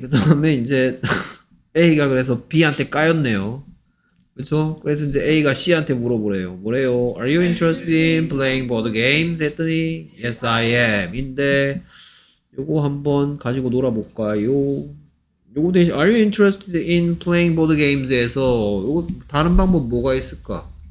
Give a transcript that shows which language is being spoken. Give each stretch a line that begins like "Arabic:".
Korean: 그 다음에 이제 A가 그래서 B한테 까였네요. 그쵸? 그래서 이제 A가 C한테 물어보래요. 뭐래요?
English: Are you interested in playing board games?
Korean: 했더니
English: Yes, I am.
Korean: 인데 요거 한번 가지고 놀아볼까요? 요거 대신
English: Are you interested in playing board games?
Korean: 에서 요거 다른 방법 뭐가 있을까?